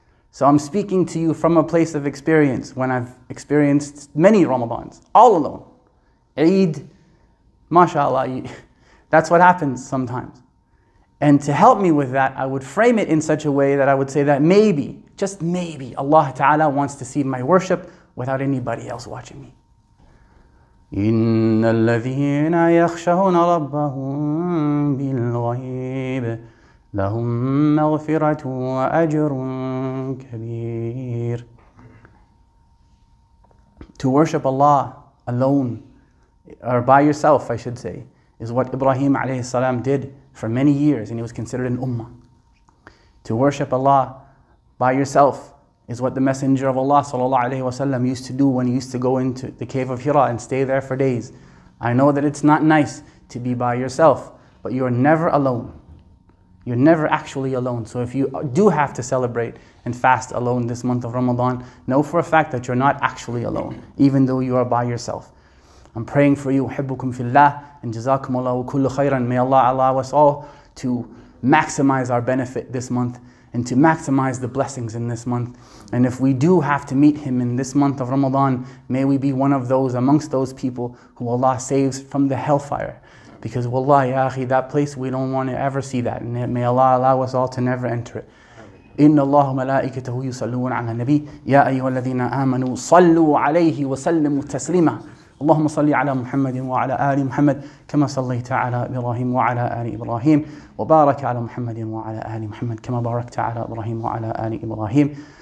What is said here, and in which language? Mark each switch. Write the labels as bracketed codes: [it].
[en] So I'm speaking to you from a place of experience when I've experienced many Ramadans, all alone. Eid, mashallah, that's what happens sometimes. And to help me with that, I would frame it in such a way that I would say that maybe, just maybe, Allah Ta'ala wants to see my worship without anybody else watching me. [ar] إِنَّ الَّذِينَ يَخْشَوْنَ رَبَّهُمْ بِالْغَيْبِ لَهُمْ مَغْفِرَةٌ وَأَجْرٌ كَبِيرٌ. [en] To worship Allah alone, or by yourself, I should say, is what Ibrahim alayhi salam did for many years, and he was considered an ummah. To worship Allah by yourself is what the Messenger of Allah sallallahu alayhi wa sallam used to do when he used to go into the cave of Hira and stay there for days. I know that it's not nice to be by yourself, but you're never alone. You're never actually alone. So if you do have to celebrate and fast alone this month of Ramadan, know for a fact that you're not actually alone, even though you are by yourself. I'm praying for you, [ar] حبكم في الله [en] and [ar] جزاكم الله وكل خيرا. [en] May Allah allow us all to maximize our benefit this month and to maximize the blessings in this month. And if we do have to meet Him in this month of Ramadan, may we be one of those amongst those people who Allah saves from the hellfire. Because [ar] wallahi, ya akhi, [en] that place, we don't want to ever see that. And may Allah allow us all to never enter it. [ar] إِنَّ اللَّهُ مَلَائِكَتَهُ يُصَلُّونَ عَلَى النَّبِيِّ يَا أَيُّهَا الَّذِينَ آمَنُوا صَلُّوا عَلَيْهِ وَسَلِّمُوا تَسْلِيمًا اللهم صل على محمد وعلى آل محمد كما صليت على إبراهيم وعلى آل إبراهيم وبارك على محمد وعلى آل محمد كما باركت على إبراهيم وعلى آل إبراهيم